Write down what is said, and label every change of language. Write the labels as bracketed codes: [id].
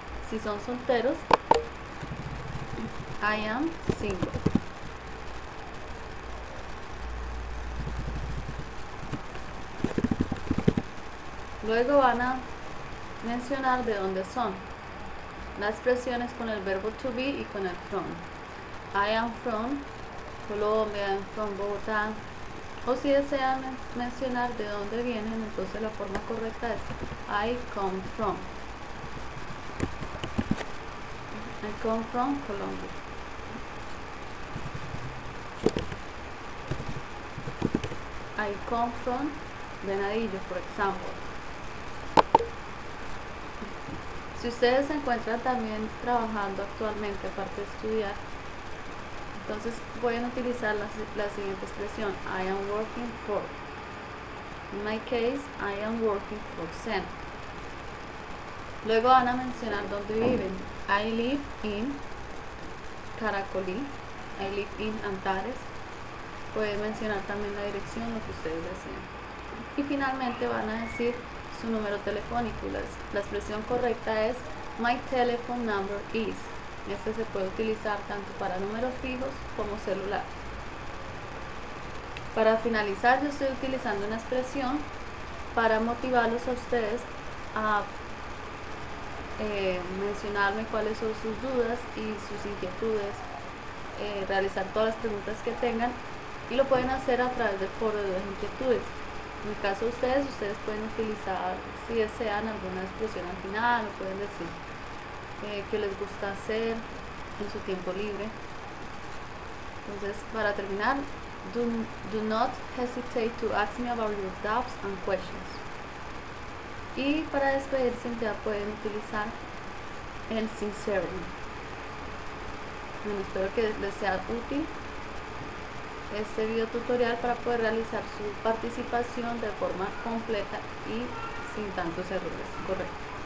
[es] Si son solteros, [en] I am single. [es] Luego van a mencionar de dónde son. La expresión es con el verbo to be y con el from. [en] I am from Colombia, I'm from Bogotá. [es] O si desean mencionar de dónde vienen, entonces la forma correcta es [en] I come from. I come from Colombia. I come from Venadillo, [es] por ejemplo. Si ustedes se encuentran también trabajando actualmente, aparte de estudiar, entonces pueden utilizar la siguiente expresión. [en] I am working for. In my case, I am working for Sam. [es] Luego van a mencionar dónde viven. [en] I live in Caracolí. I live in Antares. [es] Pueden mencionar también la dirección, lo que ustedes deseen. Y finalmente van a decir su número telefónico. La expresión correcta es [en] My telephone number is. [es] Este se puede utilizar tanto para números fijos como celular. Para finalizar, yo estoy utilizando una expresión para motivarlos a ustedes a mencionarme cuáles son sus dudas y sus inquietudes, realizar todas las preguntas que tengan. Y lo pueden hacer a través del foro de las inquietudes. En el caso de ustedes pueden utilizar, si desean, alguna expresión al final, o pueden decir qué les gusta hacer en su tiempo libre. Entonces, para terminar, [en] do not hesitate to ask me about your doubts and questions. [es] Y para despedirse ya pueden utilizar el sincerely. Bueno, espero que les sea útil. este video tutorial para poder realizar su participación de forma completa y sin tantos errores. Correcto.